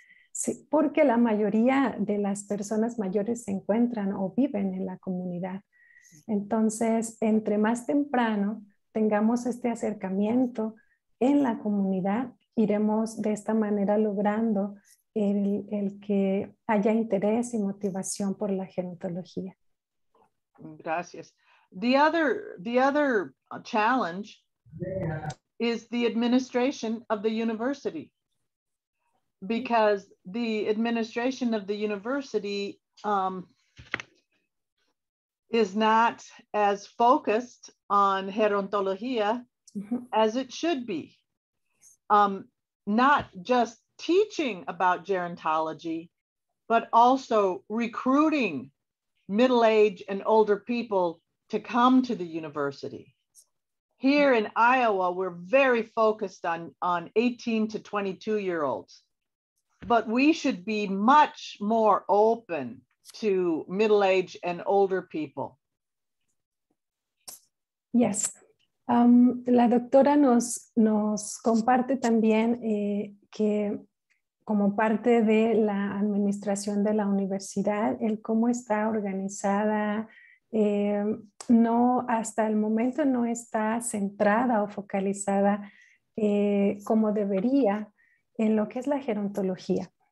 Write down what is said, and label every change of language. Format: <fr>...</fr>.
<es>Sí, porque la mayoría de las personas mayores se encuentran o viven en la comunidad. Entonces, entre más temprano tengamos este acercamiento en la comunidad, iremos de esta manera logrando el que haya interés y motivación por la gerontología. Gracias.</es> <en>The other challenge is the administration of the university. Because the administration of the university is not as focused on gerontología as it should be. Not just teaching about gerontology, but also recruiting middle-aged and older people to come to the university. Here in Iowa, we're very focused on 18 to 22-year-olds. But we should be much more open to middle-aged and older people. Yes.</en> <es>La doctora nos comparte también que como parte de la administración de la universidad, el cómo está organizada, no hasta el momento no está centrada o focalizada como debería en lo que es la gerontología.</es>